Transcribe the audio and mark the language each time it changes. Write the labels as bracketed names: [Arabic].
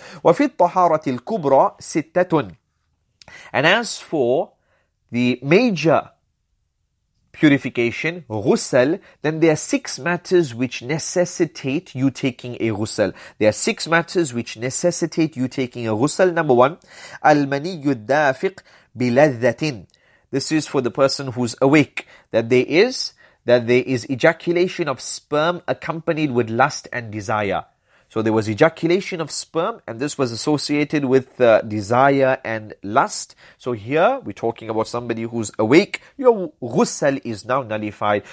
[Arabic] وفي الطهارة الكبرى ستة. [English] And as for the major purification, ghusl, then there are 6 matters which necessitate you taking a ghusl. There are 6 matters which necessitate you taking a ghusl. Number 1, [Arabic] المني الدافق بلذة. [English] This is for the person who's awake, that there is ejaculation of sperm accompanied with lust and desire. So there was ejaculation of sperm, and this was associated with desire and lust. So here we're talking about somebody who's awake. Your ghusl is now nullified.